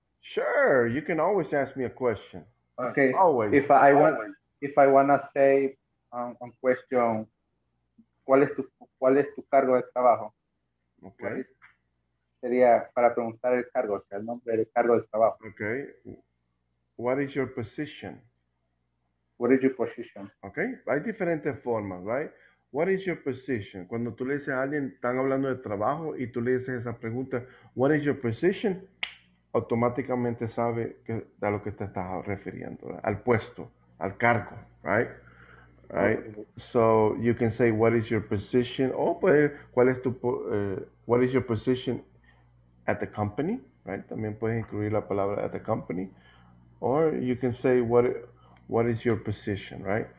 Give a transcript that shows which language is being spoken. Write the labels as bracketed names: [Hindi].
[English] Sure, you can always ask me a question. Okay. Always. If I want to say on question, [Spanish] ¿cuál es tu cargo de trabajo? [English] Okay. [Spanish] Sería para preguntar el cargo, o sea, el nombre del cargo de trabajo. [English] Okay. What is your position? What is your position? Okay. [Spanish] Hay diferentes formas, [English] right? What is your position? [Spanish] Cuando tú le dices a alguien, están hablando de trabajo y tú le dices esa pregunta, [English] what is your position? [Spanish] Automáticamente sabe que a lo que te estás refiriendo, ¿verdad? Al puesto, al cargo, right? Right? [English] So you can say, what is your position? [Spanish] O puede, ¿cuál es tu, [English] what is your position at the company? Right? [Spanish] También puedes incluir la palabra [English] at the company. Or you can say, What is your position, right?